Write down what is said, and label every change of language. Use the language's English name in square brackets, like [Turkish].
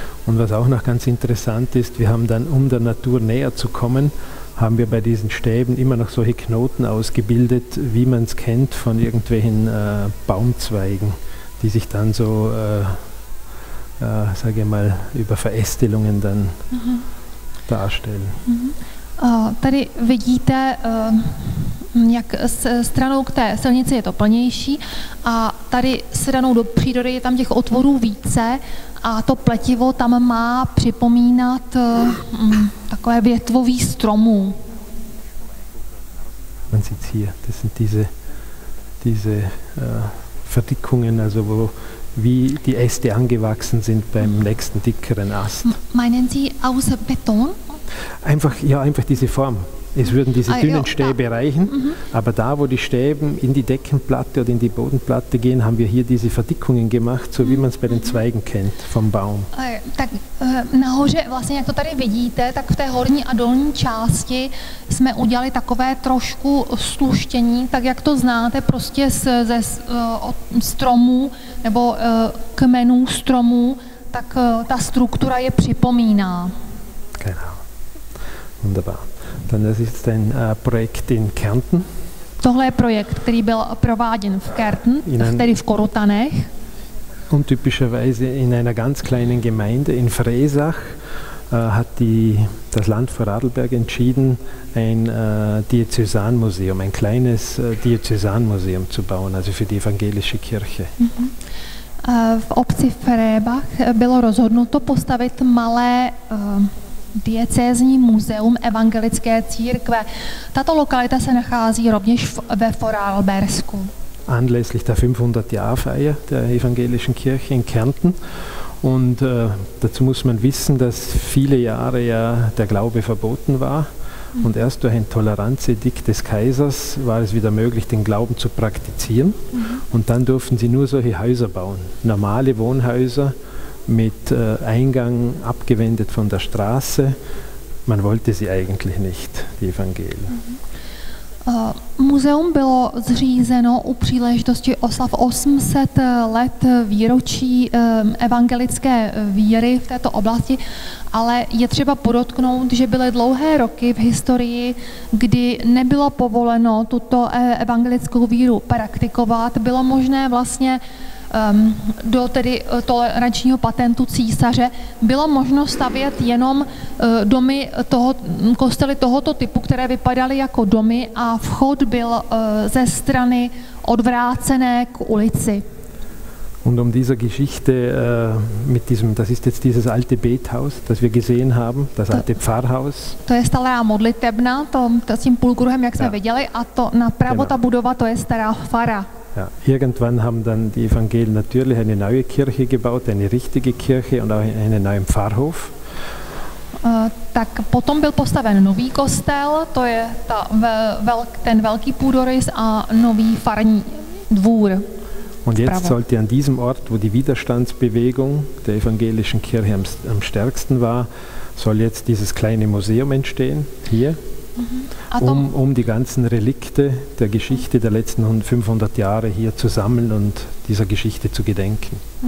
[German] Und was auch noch ganz interessant ist, wir haben dann, um der Natur näher zu kommen, haben wir bei diesen Stäben immer noch solche Knoten ausgebildet, wie man es kennt von irgendwelchen Baumzweigen, die sich dann so, sage ich mal, über Verästelungen dann darstellen. [Czech] Tady vidíte, jak stranou k té silnici je to plnější a tady stranou do přírody je tam těch otvorů více a to pletivo tam má připomínat takové větvový stromů. [German] Man sieht hier, das sind diese Verdickungen, also wo wie die Äste angewachsen sind beim nächsten dickeren Ast. Meinen Sie aus Beton? Einfach diese Form. Es würden diese dünnen Stäbe reichen, aber da, wo die Stäben in die Deckenplatte oder in die Bodenplatte gehen, haben wir hier diese Verdickungen gemacht, so wie man es bei den Zweigen kennt vom Baum. [Czech] Tak nahoře, vlastně jak to tady vidíte, tak v té horní a dolní části jsme udělali takové trošku sluštění, tak jak to znáte, prostě od stromů nebo kmenů stromů, tak ta struktura je připomíná. [German] Genau. Wunderbar. Dann das ist ein Projekt in Kärnten. [Czech] Tohle je projekt, který byl prováděn v Kärnten, tedy v Korotanech. [German] Und typischerweise in einer ganz kleinen Gemeinde in Fresach hat das Land Vorarlberg entschieden, ein Diözesanmuseum, ein kleines Diözesanmuseum zu bauen, also für die evangelische Kirche. [Czech] V obci Fresach bylo rozhodnuto postavit malé diecézní muzeum evangelické církve. Tato lokalita se nachází rovněž ve Vorarlbersku. [German] Anlässlich der 500-Jahr-Feier der evangelischen Kirche in Kärnten. Und dazu muss man wissen, dass viele Jahre ja der Glaube verboten war. Und erst durch ein Toleranzedikt des Kaisers war es wieder möglich, den Glauben zu praktizieren. Mhm. Und dann durften sie nur solche Häuser bauen, normale Wohnhäuser mit Eingang abgewendet von der Straße. Man wollte sie eigentlich nicht, die Evangelien. [Czech] Muzeum bylo zřízeno u příležitosti oslav 800 let výročí evangelické víry v této oblasti, ale je třeba podotknout, že byly dlouhé roky v historii, kdy nebylo povoleno tuto evangelickou víru praktikovat. Bylo možné vlastně do tedy tolerančního patentu císaře bylo možno stavět jenom domy toho, kostely tohoto typu, které vypadaly jako domy a vchod byl ze strany odvrácené k ulici. [German] Und um dieser Geschichte mit diesem, das ist jetzt dieses alte Bethaus, das wir gesehen haben, das alte Pfarrhaus. [Czech] To je stará modlitebna, to s tím půlkruhem, jak jsme viděli, a to napravo ta budova, to je stará fara. [German] Ja, irgendwann haben dann die Evangelien natürlich eine neue Kirche gebaut, eine richtige Kirche und auch einen neuen Pfarrhof. [Czech] Tak potom byl postaven nový kostel, to je ten velký půdorys a nový farní dvůr. [German] Und jetzt sollte an diesem Ort, wo die Widerstandsbewegung der evangelischen Kirche am stärksten war, soll jetzt dieses kleine Museum entstehen, hier. Um die ganzen Relikte der Geschichte der letzten 500 Jahre hier zu sammeln und dieser Geschichte zu gedenken.